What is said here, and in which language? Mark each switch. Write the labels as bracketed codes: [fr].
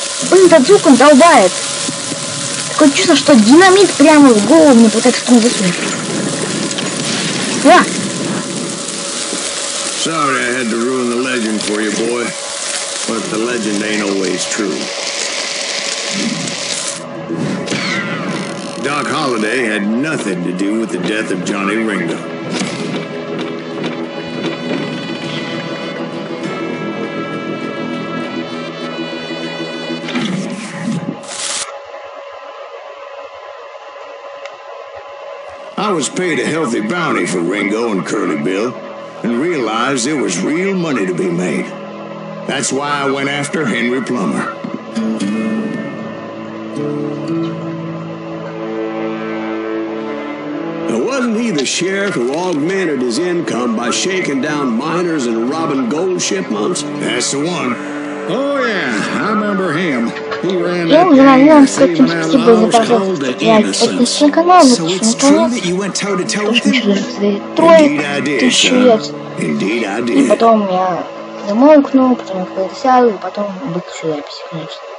[ru] Блин, этот звук он долбает. Такое чувство, что динамит прямо в голову мне пытается туда засунуть. Да. [en] Sorry, I had to ruin the legend for you, boy. But the legend ain't always true. Doc Holliday had nothing to do with the death of Johnny Ringo. I was paid a healthy bounty for Ringo and Curly Bill and realized there was real money to be made. That's why I went after Henry Plummer. Now, wasn't he the sheriff who augmented his income by shaking down miners and robbing gold shipments? That's the one. Oh yeah, I remember him. [ru] Я уже наверное с этим спасибо за подписку на канал, потому что потом я замолкну, потом я куда-то сяду, и потом выключу запись, конечно.